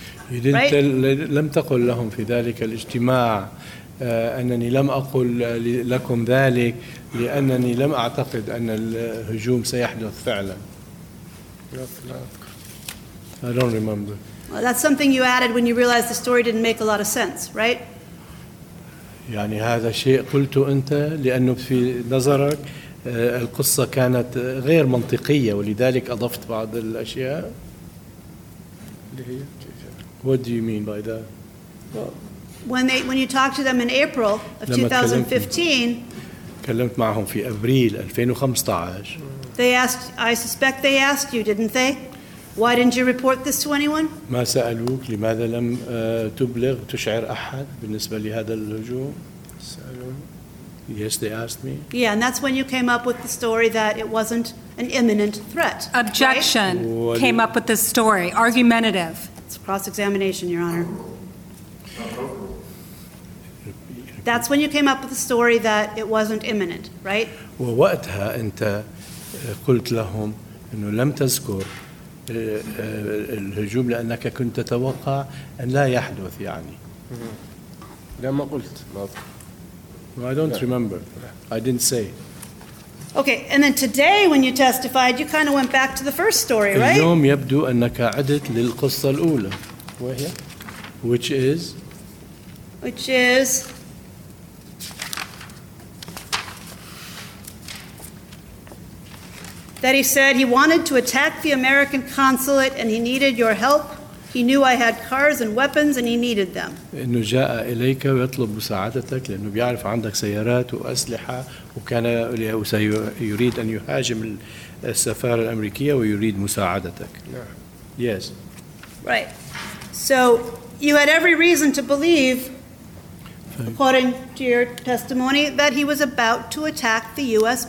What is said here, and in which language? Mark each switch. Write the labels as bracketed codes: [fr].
[en] You didn't right? [ar] لم تقل لهم في ذلك الاجتماع. أنني لم أقل لكم ذلك لأنني لم أعتقد أن الهجوم سيحدث فعلا [en] I don't remember Well, that's something you added when you realized the story didn't make a lot of sense, right? [ar] يعني هذا شيء قلت أنت لأنه في نظرك القصة كانت غير منطقية ولذلك أضفت بعض الأشياء [en] What do you mean by that? When you talked to them in April of 2015, [ar] كلمت معهم في أبريل 2015. [en] They asked. I suspect they asked you, didn't they? Why didn't you report this to anyone? [ar] ما سألوك لماذا لم تبلغ تشعر أحد بالنسبة لهذا الهجوم؟ [en] Yes, they asked me. Yeah, and that's when you came up with the story that it wasn't an imminent threat. Objection. Right? Came up with this story. Argumentative. It's cross-examination, Your Honor. That's when you came up with the story that it wasn't imminent, right? [ar] ووقتها أنت قلت لهم إنه لم تذكر الهجوم لأنك كنت تتوقع أن لا يحدث يعني. لما قلت ما [en] I don't remember. I didn't say. Okay, and then today when you testified, you kind of went back to the first story, right? [ar] اليوم يبدو أنك عدت للقصة الأولى. وهي [en] Which is. That he said he wanted to attack the American consulate and he needed your help. He knew I had cars and weapons and he needed them. [ar] إنه جاء إليك ويطلب مساعدتك لأنه بيعرف عندك سيارات وأسلحة وكان سيريد أن يهاجم السفارة الأمريكية ويريد مساعدتك. نعم. [en] Yes. Right. So you had every reason to believe, according to your testimony, that he was about to attack the U.S.